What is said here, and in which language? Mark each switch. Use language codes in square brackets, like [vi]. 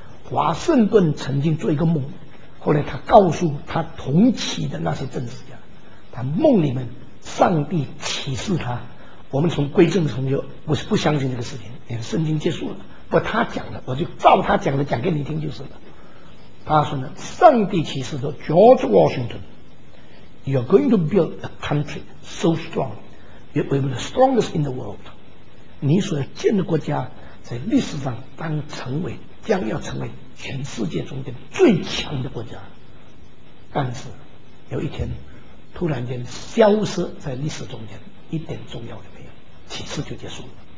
[zh] 华盛顿曾经做一个梦，后来他告诉他同起的那些政治家，他梦里面上帝启示他，我们从归正从右，我是不相信这个事情，连圣经结束了，不，他讲的，我就照他讲的讲给你听就是了。他说呢，上帝启示说 ，George Washington， [en] you're going to build a country so strong, you will be the strongest in the world. [zh] 你所要建的国家在历史上当成为将要成为全世界中间最强的国家。但是有一天突然间消失在历史中间，一点重要都没有，启示就结束了。